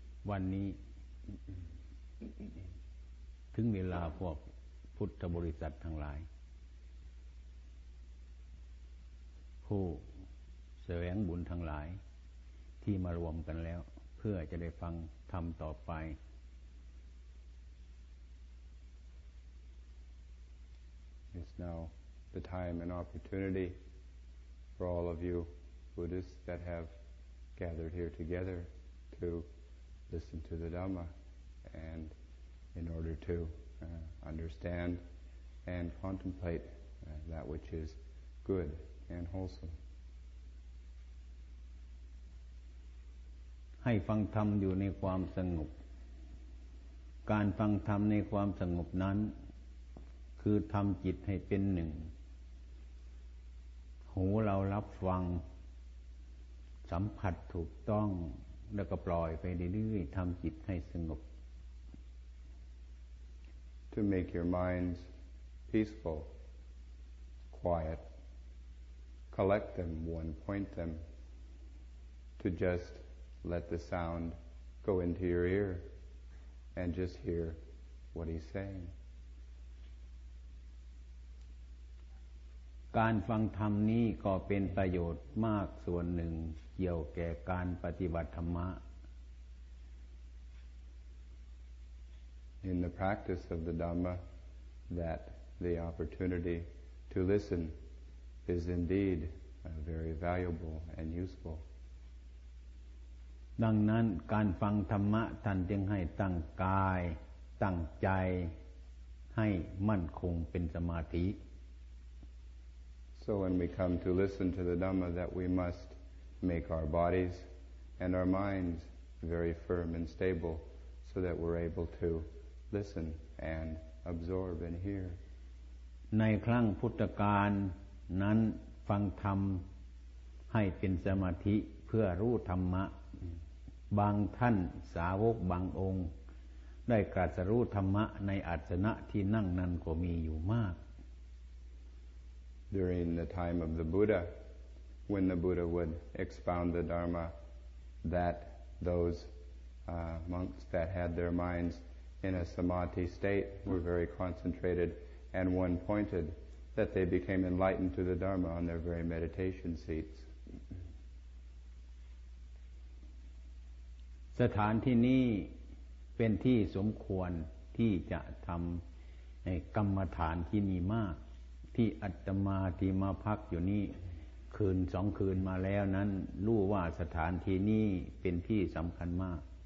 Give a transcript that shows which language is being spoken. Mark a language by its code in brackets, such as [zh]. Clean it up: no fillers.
[th] วันนี้ถึงเวลาพวกพุทธบริษัททั้งหลายผู้แสวงบุญทั้งหลายที่มารวมกันแล้วเพื่อจะได้ฟังธรรมต่อไป [en] It's now the time and opportunity for all of you Buddhists that have gathered here together to listen to the Dhamma and in order to understand and contemplate that which is good and wholesome. [th] ให้ฟังธรรมอยู่ในความสงบการฟังธรรมในความสงบนั้นคือทำจิตให้เป็นหนึ่งหูเรารับฟังสัมผัสถูกต้องแล้วก็ปล่อยไปเรื่อยๆทำจิตให้สงบ [en] To make your minds peaceful, quiet, collect them, one point them, to just let the sound go into your ear and just hear what he's saying. [th] การฟังธรรมนี้ก็เป็นประโยชน์มากส่วนหนึ่งเกี่ยวแก่การปฏิบัติธรรมะ [en] In the practice of the Dhamma that the opportunity to listen is indeed very valuable and useful [th] ดังนั้นการฟังธรรมะท่านจึงให้ตั้งกายตั้งใจให้มั่นคงเป็นสมาธิ [en] So when we come to listen to the Dhamma that we must make our bodies and our minds very firm and stable so that we're able to listen and absorb and hear. [th] ในครั้งพุทธกาลนั้นฟังธรรมให้เป็นสมาธิเพื่อรู้ธรรมะบางท่านสาวกบางองค์ได้กระสรู้ธรรมะในอาสนะที่นั่งนั้นก็มีอยู่มาก [en] During the time of the Buddha, when the Buddha would expound the Dharma, that those monks that had their minds in a samadhi state were very concentrated and one-pointed, that they became enlightened to the Dharma on their very meditation seats. [th] สถานที่นี้เป็นที่สมควรที่จะทำกรรมฐานที่มีมากที่อาตมาที่มาพักอยู่นี่คืนสองคืนมาแล้วนั้นรู้ว่าสถานที่นี้เป็นที่สำคัญมาก